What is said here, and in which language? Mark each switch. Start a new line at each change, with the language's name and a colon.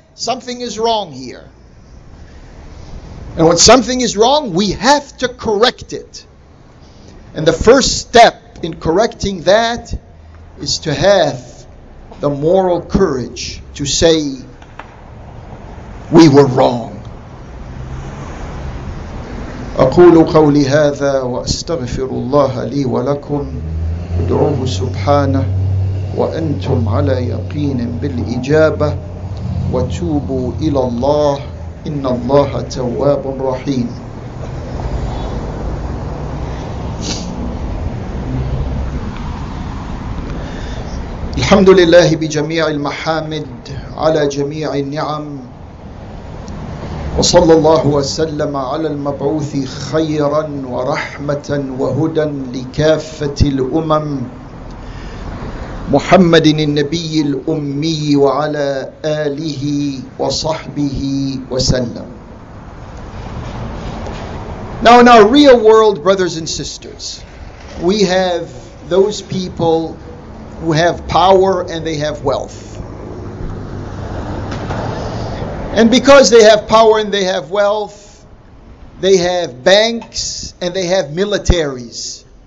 English: Something is wrong here. And when something is wrong, we have to correct it. And the first step in correcting that is to have the moral courage to say, we were wrong.
Arabic: أقول قولي هذا وأستغفر الله لي ولكم ادعوه سبحانه وأنتم على يقين بالإجابة وتوبوا إلى الله إن الله تواب رحيم. الحمد لله بجميع المحامد على جميع النعم وصلى الله وسلم على المبعوث خيرا ورحمة وهدى لكافة الأمم محمد النبي الأمي وعلى آله وصحبه وسلم.
English: Now in our real world, brothers and sisters, we have those people who have power and they have wealth. And because they have power and they have wealth, they have banks and they have militaries.